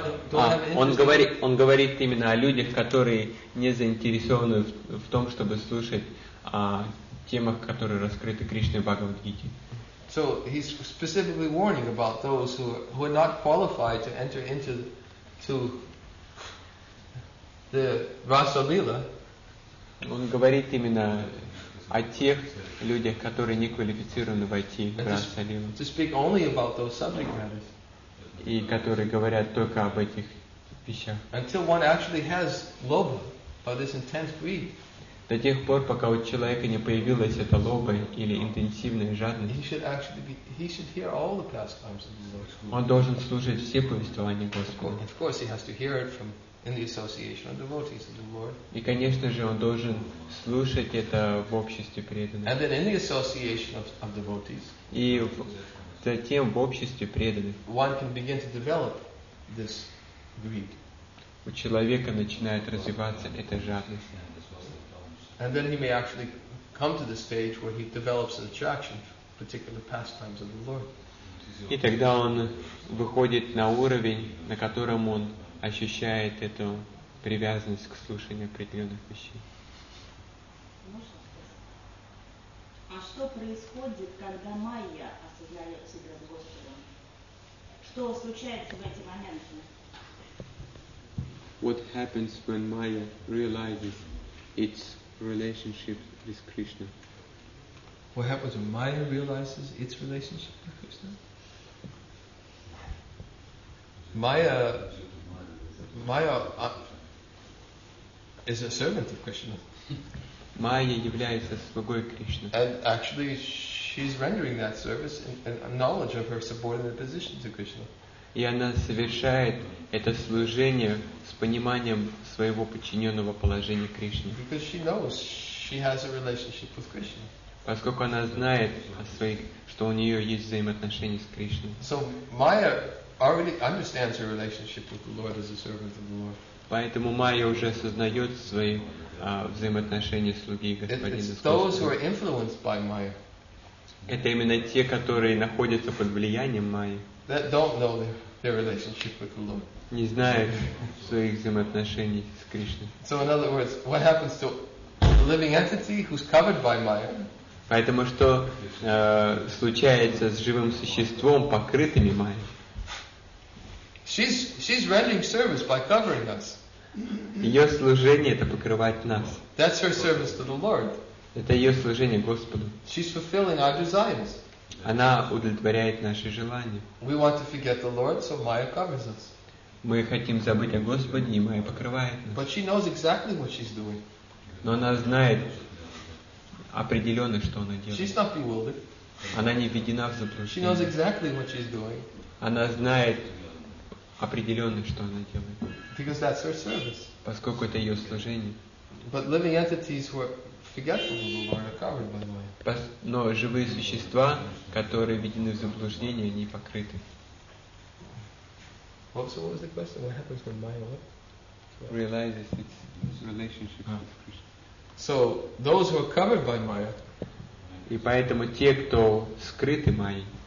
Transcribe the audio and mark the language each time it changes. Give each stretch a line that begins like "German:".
Russian: Он говорит именно о людях, которые не заинтересованы в том, чтобы слушать о темах, которые раскрыты Кришной Бхагавад-гите.
English: So he's specifically warning about those who are not qualified to enter into the Rasa-лила.
Russian: Он говорит именно о тех людях, которые не квалифицированы войти в Раса-лилу.
English: To speak only about those subject matters.
Russian: И которые говорят только об этих вещах.
English: Until one actually has lobha by this intense greed.
Russian: До тех пор, пока у человека не появилась эта лобха или интенсивная жадность.
English: He should hear all the pastimes of the Lord.
Russian: Он должен слушать все повествования Господа.
English: Of course, he has to hear it from in the association of devotees of the Lord.
Russian: И конечно же, он должен слушать это в обществе преданных.
English: And then in the association of devotees.
Russian: И затем в обществе преданных.
English: One can begin to develop this greed.
Russian: У человека начинает развиваться эта жадность.
English: And then he may actually come to the stage where he develops an attraction for particular pastimes of the Lord.
Russian: И тогда он выходит на уровень, на котором он ощущает эту привязанность к слушанию определенных вещей. А что происходит, когда майя осознает себя с Господом? Что случается в эти моменты?
English: What happens when Maya realizes its relationship with Krishna? What happens when Maya realizes its relationship with Krishna? Maya is a servant of Krishna.
Russian: Майя является слугой Кришны.
English: And actually she's rendering that service in knowledge of her subordinate position to Krishna.
Russian: И она совершает это служение с пониманием своего подчиненного положения Кришне.
English: Because she knows she has a relationship with Krishna.
Russian: Поскольку она знает о своих, что у нее есть взаимоотношения с Кришной.
English: So Maya already understands her relationship with the Lord as a servant of the Lord.
Russian: Поэтому Майя уже осознает свои взаимоотношения слуги и господина. Это именно те, которые находятся под влиянием Майи.
English: That don't know their relationship with the Lord.
Russian: Не знают своих взаимоотношений с Кришной.
English: So in other words, what happens to a living entity who's covered by Maya?
Russian: Поэтому что случается с живым существом, покрытыми Майей?
English: She's rendering service by covering us.
Russian: Ее служение — это покрывать нас.
English: That's her service to the Lord.
Russian: Это ее служение Господу.
English: She's fulfilling our desires.
Russian: Она удовлетворяет наши желания.
English: We want to forget the Lord, so Maya covers us.
Russian: Мы хотим забыть о Господе, и Майя покрывает нас.
English: But she knows exactly what she's doing.
Russian: Но она знает определенно, что она делает.
English: She's not bewildered.
Russian: Она не введена в заблуждение.
English: She knows exactly what she's doing.
Russian: Она знает определенно, что она делает.
English: Because that's her service.
Russian: Поскольку это ее служение.
English: But living entities were forgetful of the Lord, covered by the way.
Russian: Но живые существа, которые введены в заблуждение, они покрыты.
English: So what was the question? What happens when Maya what? Realizes its relationship with Krishna. So those who are covered by Maya.
Russian: И поэтому те, кто скрыты Майей.